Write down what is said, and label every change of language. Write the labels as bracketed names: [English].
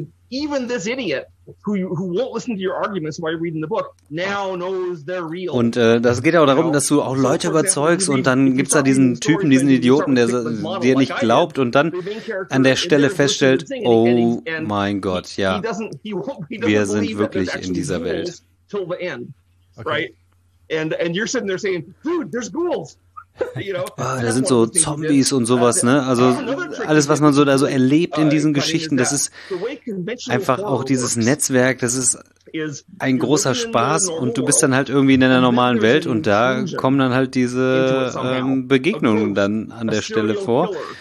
[English] Even this idiot who won't listen to your arguments while you're reading the book now knows they're real. [German] Und das geht auch darum, dass du auch Leute überzeugst und dann gibt's da diesen Typen, diesen Idioten, der dir nicht glaubt und dann an der Stelle feststellt, oh mein Gott, ja, wir sind wirklich in dieser Welt. [English] Right? And you're sitting there saying, dude, there's ghouls. [German] Oh, da sind so Zombies und sowas, ne? Also alles, was man so da so erlebt in diesen Geschichten, das ist einfach auch dieses Netzwerk, das ist ein großer Spaß und du bist dann halt irgendwie in einer normalen Welt und da kommen dann halt diese Begegnungen dann an der Stelle vor.